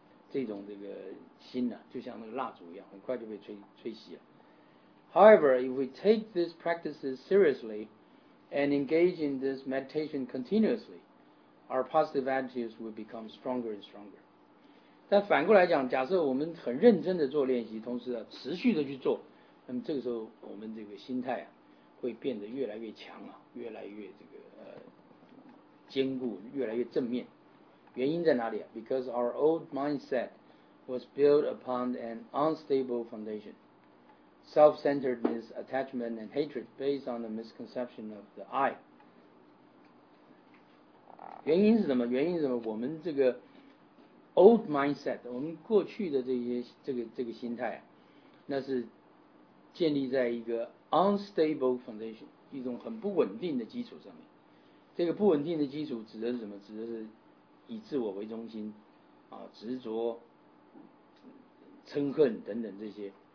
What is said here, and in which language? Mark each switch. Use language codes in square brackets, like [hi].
[zh] 这种这个心呢、啊，就像那个蜡烛一样，很快就被吹熄了。 [en] However, if we take these practices seriously and engage in this meditation continuously, our positive attitudes will become stronger and stronger. [zh] 但反过来讲，假设我们很认真的做练习，同时、啊、持续的去做，那么这个时候我们这个心态啊，会变得越来越强啊，越来越这个坚固，越来越正面。原因在哪里？ [en] Because our old mindset was built upon an unstable foundation. Self-centeredness, attachment, and hatred based on the misconception of the I. [zh] 原因是什么？原因是什么？我们这个 [en] old mindset, [zh] 我们过去的这些这个心态、啊、那是建立在一个 [en] unstable foundation, [zh] 一种很不稳定的基础上面。这个不稳定的基础指的是什么？指的是以自我为中心啊，执着、嗔恨等等这些。